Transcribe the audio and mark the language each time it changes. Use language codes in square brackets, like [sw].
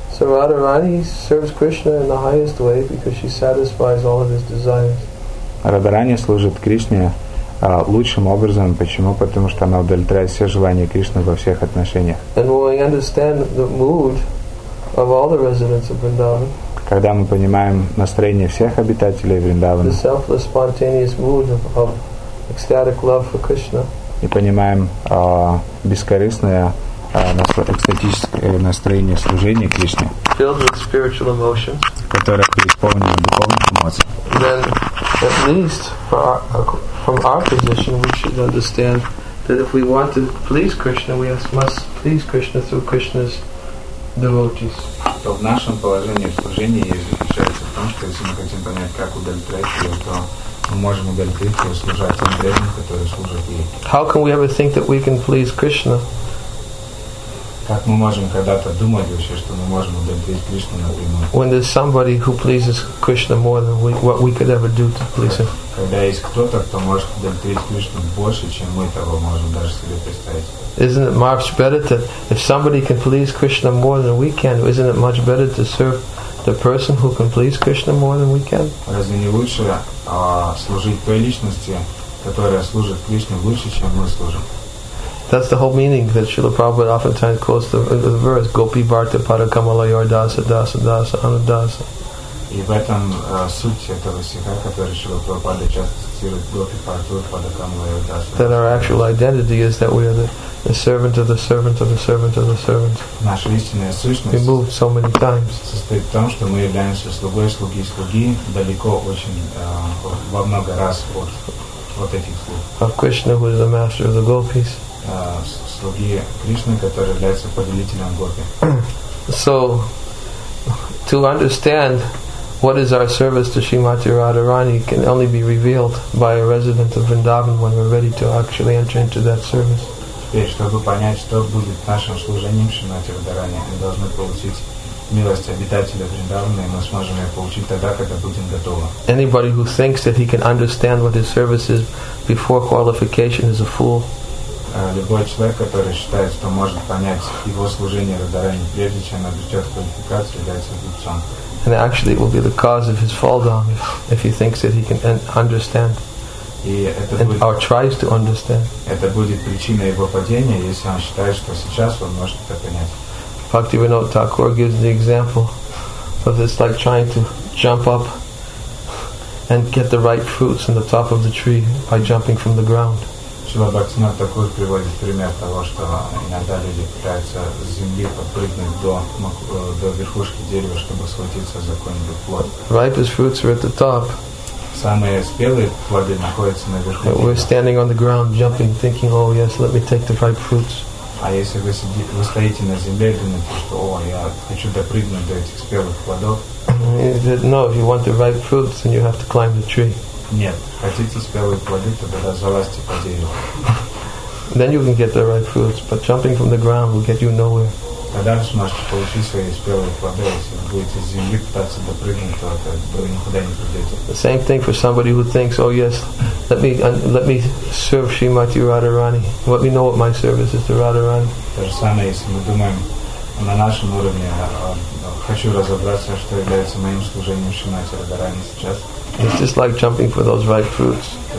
[en] So Radharani serves Krishna in the highest way because she satisfies all of his desires. [ru] Радхарани служит Кришне лучшим образом. Почему? Потому что она удовлетворяет все желания Кришны во всех отношениях. [en] And when we understand the mood of all the residents of Vrindavan, [ru] когда мы понимаем настроение всех обитателей Вриндавана, [en] the selfless, spontaneous mood of ecstatic love for Krishna, [ru] и понимаем бескорыстное экстатическое настроение служения Кришне, [en] filled with spiritual emotions, [ru] которое преисполнено духовных эмоций, [en] then at least from our position we should understand that if we want to please Krishna we must please Krishna through Krishna's devotees. [ru] То в нашем положении служения заключается в том, что если мы хотим понять, как удовлетворять его, то мы можем удовлетворить его, служа тем преданным, которые служат ей. [en] How can we ever think that we can please Krishna? [ru] Как мы можем когда-то думать вообще, что мы можем удовлетворить Кришну напрямую? [en] When there's somebody who pleases Krishna more than what we could ever do to please him. [ru] Когда есть кто-то, кто может удовлетворить Кришну больше, чем мы того можем даже себе представить. [en] Isn't it much better to, if somebody can please Krishna more than we can, isn't it much better to serve the person who can please Krishna more than we can? [ru] Разве не лучше служить той личности, которая служит Кришне лучше, чем мы служим? [en] That's the whole meaning that Srila Prabhupada oftentimes quotes the verse, [sa] Gopi Bharta Pada Kamala Yardasa Dasa Dasa Anadasa. [ru] И в этом суть этого стиха, который Шрила Прабхупада часто цитирует, [sa] Гопи Бхартур Пада Камала Йордаса. [en] That our actual identity is that we are the servant of the servant of the servant of the servant. [ru] Наша истинная сущность, [en] we moved so many times, [ru] состоит в том, что мы являемся слугой, слуги и слуги далеко очень, во много раз от этих слуг. [en] Of Krishna, who is the master of the gopis. [ru] Слуги Кришны, который является повелителем гопи. [en] So, to understand what is our service to Srimati Radharani can only be revealed by a resident of Vrindavan when we're ready to actually enter into that service. [ru] Теперь, чтобы понять, что будет нашим служением Шримати Радхарани, мы должны получить милость обитателя Вриндавана, и мы сможем ее получить тогда, когда будем готовы. [en] Anybody who thinks that he can understand what his service is before qualification is a fool. [ru] Любой человек, который считает, что может понять его служение Радхарани прежде, чем обретет квалификацию, является глупцом. [en] And actually it will be the cause of his fall down if he thinks that he can understand or tries to understand. [ru] Это будет причина его падения, если он считает, что сейчас он может это понять. [en] Bhaktivinoda Thakur gives the example of this, like trying to jump up and get the right fruits in the top of the tree by jumping from the ground. [ru] Шрила Бхактивинода Такур приводит пример того, что иногда люди пытаются с земли подпрыгнуть до верхушки дерева, чтобы схватиться за какой-нибудь плод. [en] Ripest fruits are at the top. [ru] Самые спелые плоды находятся наверху. [en] We're standing on the ground, jumping, thinking, oh yes, let me take the ripe fruits. [ru] А если вы стоите на земле и думаете, что о, я хочу допрыгнуть до этих спелых плодов. [en] No, if you want the ripe fruits, then you have to climb the tree. [ru] Нет, хотите спелые плоды, тогда залазьте по дереву. [en] Then you can get the right fruits, but jumping from the ground will get you nowhere. [ru] А дальше наш получит свои спелые плоды, если вы будете с земли пытаться допрыгнуть, то это вы никуда не придете. [en] The same thing for somebody who thinks, oh yes, let me serve Shrimati Radharani. Let me know what my service is to Radharani. [ru] То же самое, если мы думаем на нашем уровне, хочу разобраться, что является моим служением Шримати Радарани сейчас. [en] It's just like jumping for those ripe fruits.